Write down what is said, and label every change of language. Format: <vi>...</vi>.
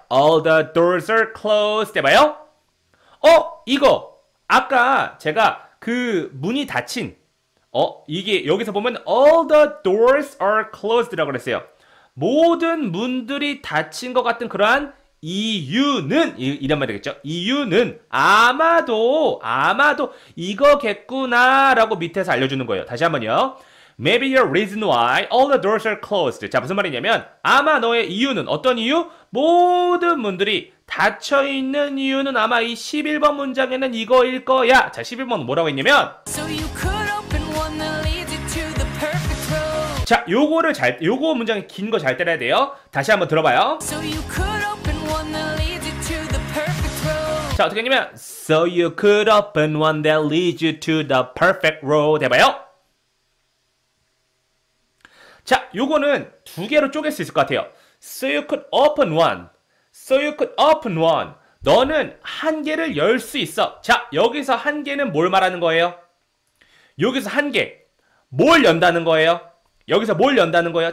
<en>All the doors are closed 해봐요. 어?</en> <ko>이거 아까 제가 그 문이 닫힌 이게 여기서 보면</ko> <en>All the doors are closed</en> <ko>라고 그랬어요. 모든 문들이 닫힌 것 같은 그러한 이유는 이런 말 되겠죠. 이유는 아마도 이거겠구나 라고 밑에서 알려주는 거예요. 다시 한번요.</ko> <en>Maybe your reason why all the doors are closed.</en> <ko>자, 무슨 말이냐면 아마 너의 이유는 어떤 이유? 모든 문들이 닫혀 있는 이유는 아마 이 11번 문장에는 이거일 거야. 자, 11번은 뭐라고 했냐면</ko> <en>so you could open one that leads it to the perfect road.</en> <ko>자, 요거 문장이 긴 거 잘 따라야 돼요. 다시 한번 들어봐요.</ko> <en>So you could open one that leads it to the perfect road.</en> <ko>자, 어떻게 하냐면</ko> <en>So you could open one that leads you to the perfect road 해봐요.</en> <ko>자, 요거는 두 개로 쪼갤 수 있을 것 같아요.</ko> <en>So you could open one. So you could open one.</en> <ko>너는 한 개를 열 수 있어. 자, 여기서 한 개는 뭘 말하는 거예요? 여기서 한 개. 뭘 연다는 거예요? 여기서 뭘 연다는 거예요?</ko>